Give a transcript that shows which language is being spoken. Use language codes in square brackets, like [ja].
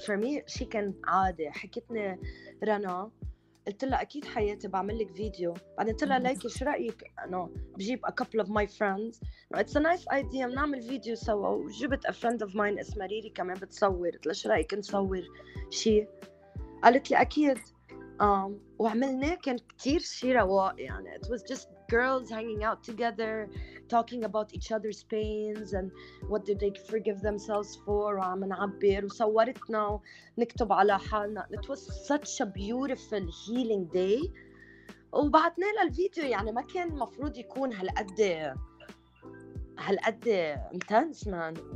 [en] For me, she can [ar] عادي حكيتني رنا قلت لها اكيد حياتي بعمل لك فيديو بعدين قلت لها ليكي شو رايك انه بجيب [en] a couple of my friends. No, it's a nice idea, [ar] بنعمل فيديو سوا. وجبت [en] a friend of mine [ar] اسمها ريري كمان بتصور. قلت لها شو رايك نصور شيء؟ قالت لي اكيد. وعملناه كان كثير شيء رواق يعني. [en] It was just girls hanging out together talking about each other's pains and what did they forgive themselves for. [ar] وعم نعبر وصورتنا ونكتب على حالنا. [en] It was such a beautiful healing day. [ar] وبعتنا لها الفيديو يعني ما كان مفروض يكون هالقد [en] intense man.